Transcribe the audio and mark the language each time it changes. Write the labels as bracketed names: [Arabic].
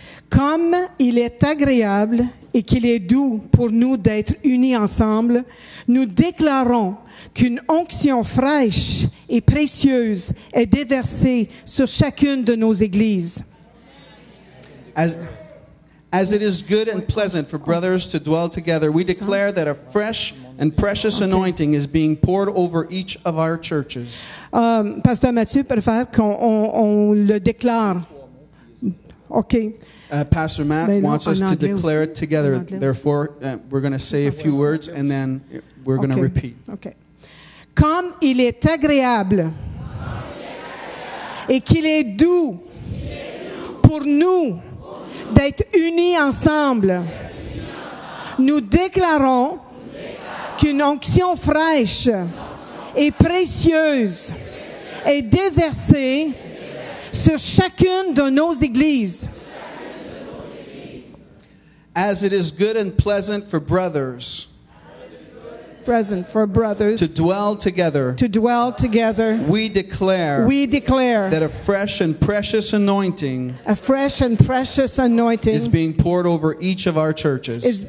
[French] Comme il est agréable et qu'il est doux pour nous d'être unis ensemble, nous déclarons qu'une onction fraîche et précieuse est déversée sur chacune de nos églises. [English] As it is good and pleasant for brothers to dwell together, we declare that a fresh and precious anointing is being poured over each of our churches. [French] Pasteur Mathieu préfère qu'on le déclare. [English] OK. Pastor Matt mais wants non, us to declare aussi. It together. Therefore, we're going to say a few words and then we're going to repeat. Okay. [French] Comme il est agréable et qu'il est doux pour nous d'être unis ensemble, nous déclarons qu'une onction fraîche et précieuse est déversée sur chacune de nos églises. [English] As it is good and pleasant for brothers, present for brothers to dwell together, we declare that a fresh and precious anointing, is being poured over each of our churches.